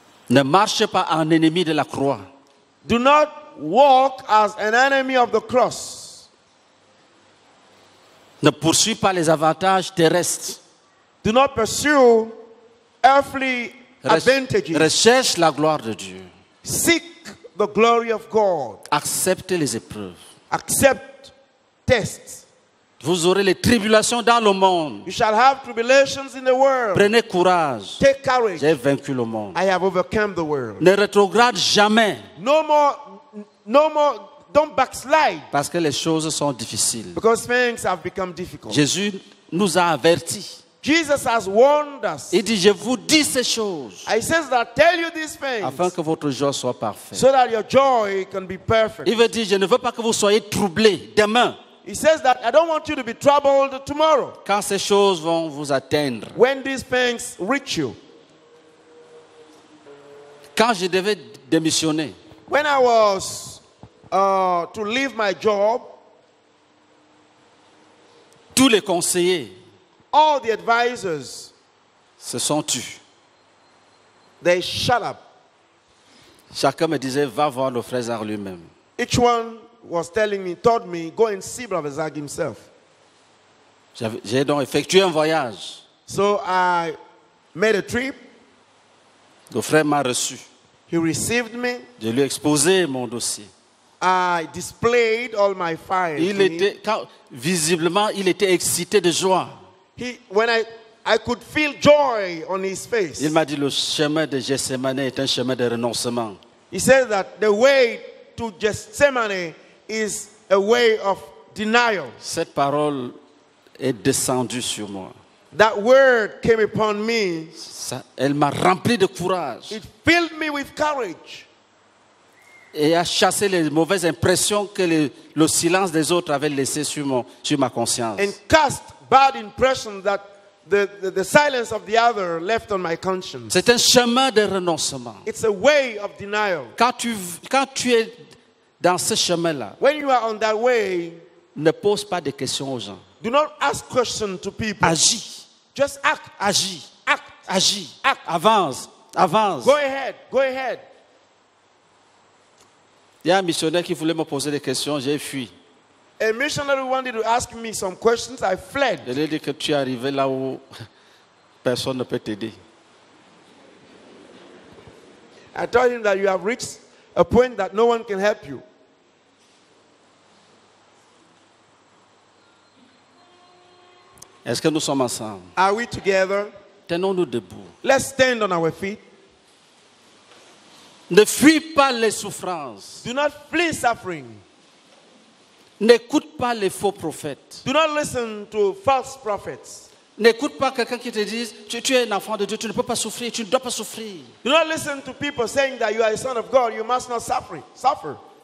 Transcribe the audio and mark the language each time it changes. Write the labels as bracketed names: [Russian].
[French] Ne marche pas en ennemi de la croix. [English] Do not walk as an enemy of the cross. [French] Ne poursuis pas les avantages terrestres. [English] Do not pursue earthly advantages. [French] Recherche la gloire de Dieu. [English] Seek the glory of God. [French] Accepte les épreuves. [English] Accept tests. [French] Vous aurez les tribulations dans le monde. [English] You shall have tribulations in the world. [French] Prenez courage. [English] Take courage. [French] J'ai vaincu le monde. [English] I have overcome the world. [French] Ne rétrograde jamais. [English] No more. Don't backslide. [French] Parce que les choses sont difficiles. [English] Because things have become difficult. [French] Jésus nous a avertis. [English] Jesus has warned us. [French] Il dit, je vous dis ces choses. [English] He says that I tell you these things. [French] Afin que votre joie soit parfaite. [English] So that your joy can be perfect. [French] Il veut dire, je ne veux pas que vous soyez troublés demain. [English] He says that I don't want you to be troubled tomorrow. [French] Quand ces choses vont vous atteindre. [English] When these things reach you. [French] Quand je devais démissionner. [English] When I was to leave my job. [French] Tous les conseillers. [English] All the advisors. [French] Se sont tus. [English] They shut up. [French] Chacun me disait, va voir le frère lui-même. [English] Each one was telling me, told me, go and see Brother Zag himself. [French] J'ai donc effectué un voyage. [English] So I made a trip. [French] Le frère m'a reçu. [English] He received me. [French] Je lui ai exposé mon dossier. [English] I displayed all my fire. [French] Il était visiblement, il était excité de joie. [English] When I could feel joy on his face. [French] Il m'a dit le chemin de Gethsemane est un chemin de renoncement. [English] He said that the way to Gethsemane is a way of denial. [French] Cette parole est descendue sur moi. [English] That word came upon me. [French] Ça, elle m'a rempli de courage. [English] It filled me with courage. [French] Et a chassé les mauvaises impressions que le silence des autres avait laissé sur ma conscience. [English] And cast bad impressions that the silence of the other left on my conscience. [French] C'est un chemin de renoncement. [English] It's a way of denial. [French] Quand tu es dans ce chemin-là, [English] when you are on that way, [French] ne pose pas de questions aux gens. [English] Do not ask questions to people. [French] Agis. [English] Just act. [French] Agis. [English] Act. [French] Agis. [English] Act. [French] Avance. Avance. [English] Go ahead. Go ahead. [French] Il y a un missionnaire qui voulait me poser des questions, j'ai fui. [English] A missionary wanted to ask me some questions, I fled. [French] Il a dit que tu es arrivé là où personne ne peut t'aider. [English] I told him that you have reached a point that no one can help you. [French] Est-ce que nous sommes ensemble? [English] Are we together? [French] Tenons-nous debout. [English] Let's stand on our feet. [French] Ne fuis pas les souffrances. [English] Do not flee suffering. [French] N'écoute pas les faux prophètes. [English] Do not listen to false prophets. [French] N'écoute pas quelqu'un qui te dit tu es un enfant de Dieu, tu ne peux pas souffrir, tu ne dois pas souffrir. [English] Do not listen to people saying that you are a son of God, you must not suffer.